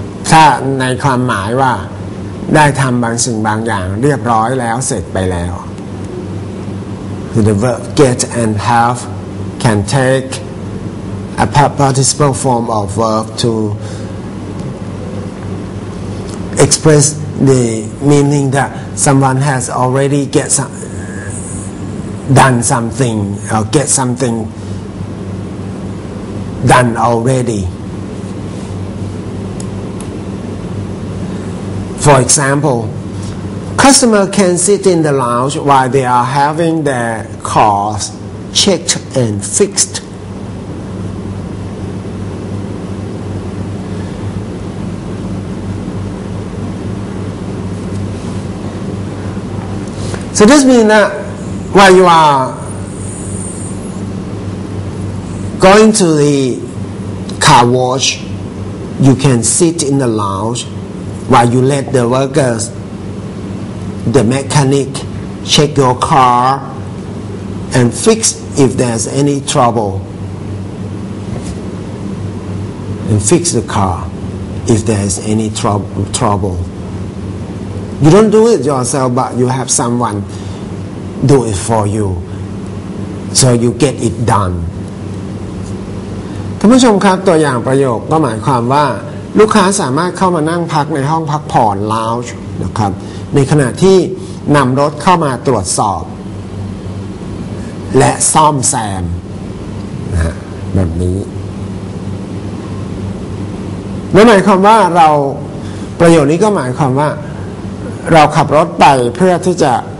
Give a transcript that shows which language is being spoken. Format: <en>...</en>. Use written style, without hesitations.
<th>ถ้าในความหมายว่าได้ทำบางสิ่งบางอย่างเรียบร้อยแล้วเสร็จไปแล้ว</th> <en>the verb get and have can takeA participle form of verb to express the meaning that someone has already get done something or get something done already. For example, customer can sit in the lounge while they are having their cars checked and fixed. So this means that while you are going to the car wash, you can sit in the lounge while you let the workers, the mechanic, check your car and fix if there's any trouble. And fix the car if there's any trouble. You don't do it yourself, but you have someone do it for you. So you get it done.</en> <th>ท่านผู้ชมครับตัวอย่างประโยคก็หมายความว่าลูกค้าสามารถเข้ามานั่งพักในห้องพักผ่อน lounge นะครับในขณะที่นำรถเข้ามาตรวจสอบและซ่อมแซมนะฮะแบบนี้นั่นหมายความว่าเราประโยคนี้ก็หมายความว่าเราขับรถไปเพื่อที่จะ</th>